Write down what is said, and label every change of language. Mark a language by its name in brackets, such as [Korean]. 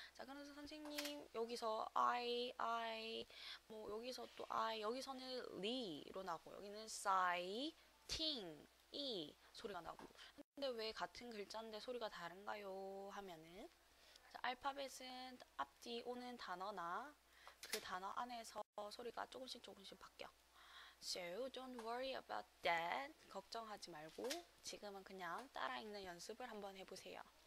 [Korean] 자, 그래서 선생님, 여기서 I, 뭐, 여기서 또 I, 여기서는 리로 나고, 여기는 사이, 팅, 이 소리가 나고. 근데 왜 같은 글자인데 소리가 다른가요? 하면은, 자, 알파벳은 앞뒤 오는 단어나 그 단어 안에서 소리가 조금씩 조금씩 바뀌어. [English] So, don't worry about that. [Korean] 걱정하지 말고 지금은 그냥 따라 읽는 연습을 한번 해보세요.